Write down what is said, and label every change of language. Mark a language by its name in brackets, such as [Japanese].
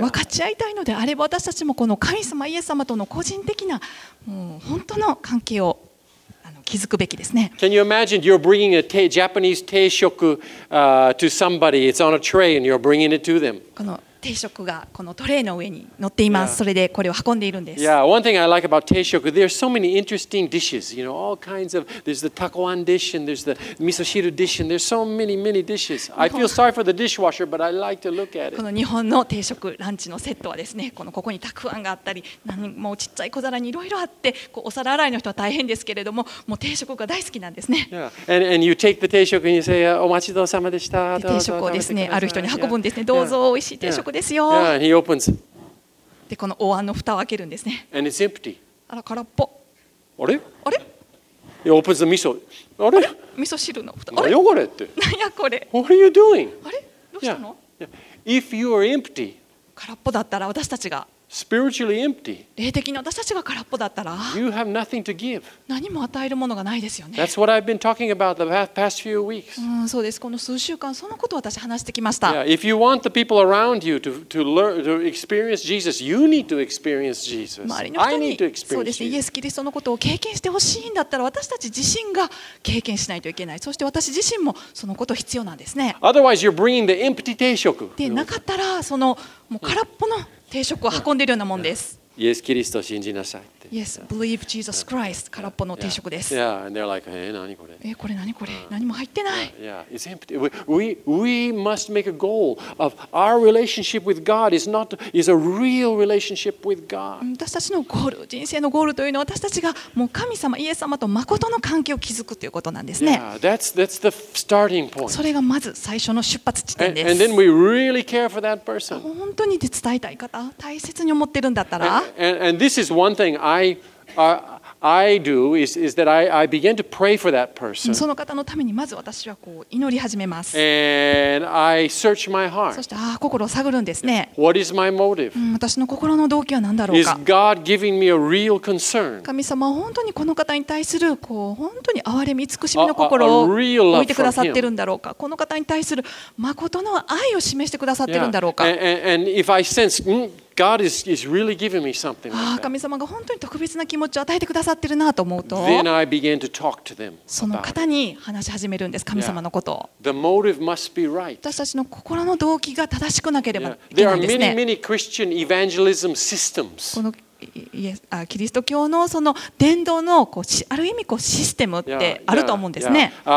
[Japanese] 分かち合いたいのであれば私たちもこの神様イエス様との個人的な本当の関係を築くべきですね。 [English] Can you imagine you're bringing a Japanese 定食 to somebody? It's on a tray and you're bringing it to them. [Japanese] この定食がこのトレイの上に乗っています。それでこれを運んでいるんです。 [English] Yeah, one thing I like about 定食, there are so many interesting dishes. You know, all kinds of, there's the takoan dish and there's the miso shiru dish and there's so many, many dishes. I feel sorry for the dishwasher, but I like to look at it. [Japanese] この日本の定食ランチのセットはですね、このここにたくあんがあったり、もうちっちゃい小皿にいろいろあって、こうお皿洗いの人は大変ですけれども、もう定食が大好きなんですね。 [English] Yeah, and you take the 定食and you say, [Japanese] お待ちどうさまでした。定食をですね、ある人に運ぶんですね。どうぞ、おいしい定食ですよ。 [English] Yeah, he opens. [Japanese] でこのお椀の蓋を開けるんですね。 [English] And it's empty. [Japanese] あら空っぽ。あれ？あれ？ [English] He opens the miso. [Japanese] あれ？味噌汁の蓋。あれ？何やこれって。何やこれ？ [English] What are you doing? [Japanese] あれ？どうしたの？ [English] Yeah. If you are empty. [Japanese] 空っぽだったら私たちが。 [English] spiritually empty, [Japanese] 霊的に私たちが空っぽだったら、 [English] you have nothing to give. [Japanese] 何も与えるものがないですよね。 [English] That's what I've been talking about the past few weeks. [Japanese] うん、そうです。この数週間、そのことを私話してきました。 [English] Yeah, if you want the people around you to learn to experience Jesus, you need to experience Jesus. [Japanese] 周りの人に、 [English] I need to experience Jesus. [Japanese] そうですね。イエス・キリストのことを経験してほしいんだったら、私たち自身が経験しないといけない。そして私自身もそのこと必要なんですね。 [English] Otherwise, you're bringing the empty 定食。 [Japanese] でなかったら、そのもう空っぽの定食を運んでいるようなもんです。イエス・キリストを信じなさいって。 [English] Yes, believe Jesus Christ. [Japanese] 空っぽの定食です。 [English] Yeah, and they're like, hey, [Japanese] 何これ？これ何これ？何も入ってない。 [English] Yeah, it's empty. We must make a goal of our relationship with God is a real relationship with God. [Japanese] 私たちのゴール、人生のゴールというのは私たちがもう神様、イエス様と誠の関係を築くということなんですね。 [English] Yeah, that's the starting point. [Japanese] それがまず最初の出発地点です。 [English] And then we really care for that person. [Japanese] 本当に伝えたい方、大切に思ってるんだったら。 [English] And this is one thing I do is that I begin to pray for that person. [Japanese] その方のためにまず私はこう祈り始めます。 [English] And I search my heart. [Japanese] そして心を探るんですね。 [English] What is my motive? [Japanese] 私の心の動機は何だろうか。 [English] Is God giving me a real concern? [Japanese] 神様は本当にこの方に対するこう本当に憐れみ慈しみの心を置いてくださってるんだろうか。この方に対する誠の愛を示してくださってるんだろうか。 [English] And if I sense God is really giving me something. [Japanese] ああ、神様が本当に特別な気持ちを与えてくださってるなと思うと。 [English] Then I began to talk to them. [Japanese] その方に話し始めるんです、神様のことを。 [English] The motive must be right. [Japanese] 私たちの心の動機が正しくなければいけないんですね。 [English] There are many, many Christian evangelism systems. [Japanese] このキリスト教のその伝道のこうある意味こうシステムってあると思うんですね。